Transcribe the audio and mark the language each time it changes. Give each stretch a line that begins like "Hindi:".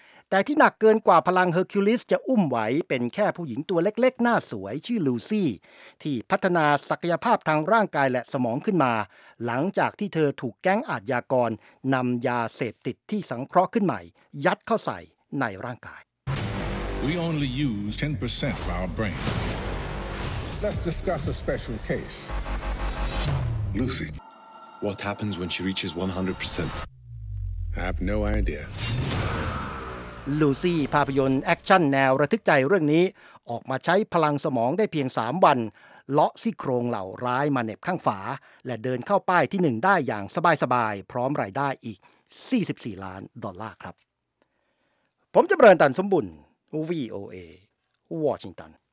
Thai: แต่ที่หนักเกินกว่าพลัง Hercules จะอุ้มไหวเป็นแค่ผู้หญิงตัวเล็กๆหน้าสวยชื่อลูซี่ที่พัฒนาศักยภาพทางร่างกายและสมองขึ้นมาหลังจากที่เธอถูกแก๊งอาชญากรนำยาเสพติดที่สังเคราะห์ขึ้นใหม่ยัดเข้าใส่ในร่างกาย
English: We only use 10% of our brain. Let's discuss a special case. Lucy, what happens when she reaches 100%? I have no idea.
Thai: Lucy ภาพยนตร์แอคชั่นแนวระทึกใจเรื่องนี้ออกมาใช้พลังสมองได้เพียง3วันเลาะซี่โครงเหล่าร้ายมาเน็บข้างฝาและเดินเข้าป้ายที่1ได้อย่างสบายๆพร้อมรายได้อีก44ล้านดอลลาร์ครับผมจะเบิร์นตันสมบุญ VOA วอชิงตัน